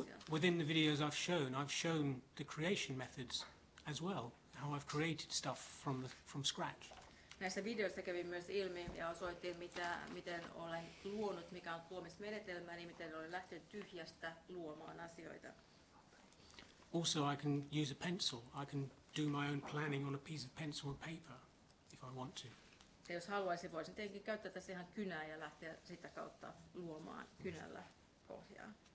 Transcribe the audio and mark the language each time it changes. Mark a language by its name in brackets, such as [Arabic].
[English] Within the videos I've shown the creation methods as well, how I've created stuff from scratch. [Finnish] Näissä videoissa kävi myös ilmi ja osoitin, miten olen luonut, mikä on luomismenetelmä, niin miten olen lähtenyt tyhjästä luomaan asioita. [English] Also, I can use a pencil. I can do my own planning on a piece of pencil or paper if I want to. [Finnish] Ja jos haluaisin, voisin tietenkin käyttää tässä ihan kynää ja lähteä sitä kautta luomaan kynällä pohjaa.